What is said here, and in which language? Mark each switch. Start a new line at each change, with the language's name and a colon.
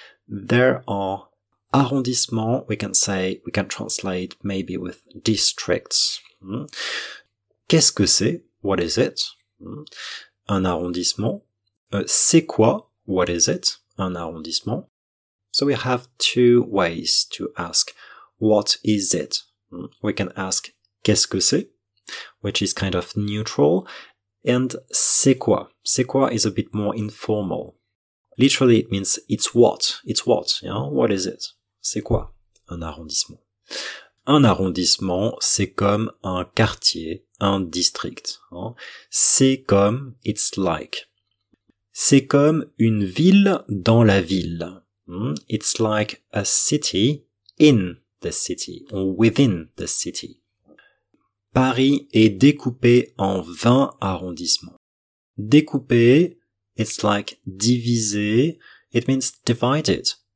English: There are arrondissements, we can translate maybe with districts.
French: Qu'est-ce que c'est?
English: What is it?
French: Un arrondissement. C'est quoi? What is it? Un arrondissement.
English: So we have two ways to ask, what is it? We can ask,
French: qu'est-ce que c'est?
English: Which is kind of neutral, and
French: c'est quoi?
English: C'est quoi is a bit more informal. Literally, it means it's what. It's what, you know? What is it?
French: C'est quoi? Un arrondissement. Un arrondissement, c'est comme un quartier, un district. C'est comme,
English: it's like.
French: C'est comme une ville dans la ville.
English: It's like a city in the city, or within the city.
French: Paris est découpé en 20 arrondissements.
English: Découpé, it's like divisé, it means divided.